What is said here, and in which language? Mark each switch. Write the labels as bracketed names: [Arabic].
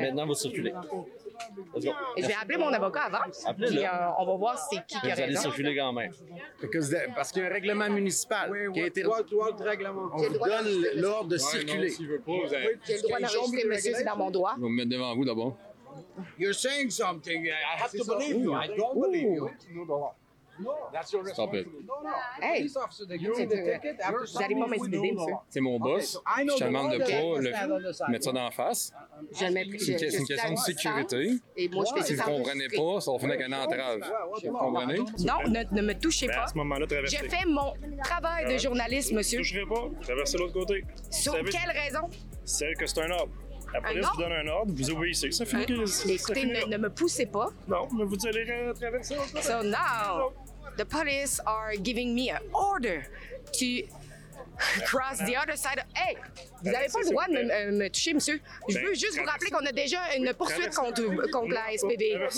[French] Maintenant, vous circulez. Je vais appeler mon avocat avant. Appelez-le. Puis on va voir c'est qui a raison. Vous allez circuler quand même. Parce qu'il y a un règlement municipal qui a été... [English] What règlement? [French] On vous donne l'ordre de circuler. Non, s'il veut pas, j'ai le droit d'enregistrer, monsieur, c'est dans mon droit. Je vais me mettre devant vous d'abord. [English] You're saying something. I have to believe you. I don't believe you. Stop it. [French] Hey, j'arrive pas à mes idées, monsieur. C'est mon boss. Okay, so je te demande de pas le mettre ça dans la face. Je le mets. C'est une question de sécurité. Et moi, je fais si vous comprenez pas, ça va finir avec un entrave. Vous comprenez? Non, ne me touchez pas. À ce moment-là, traversez. Je fais mon travail de journaliste, monsieur. Je ne toucherai pas. Traversez l'autre côté. Sur quelle raison? Celle que c'est un ordre. La police vous donne un ordre, vous obéissez. Ça fait que. Écoutez, ne me poussez pas. Non, mais vous allez traverser l'autre côté. [English] So now. The police are giving me an order to cross the other side. [French] Hey, vous n'avez pas le droit de me toucher, monsieur. Je veux juste vous rappeler qu'on a déjà une poursuite contre la SPV.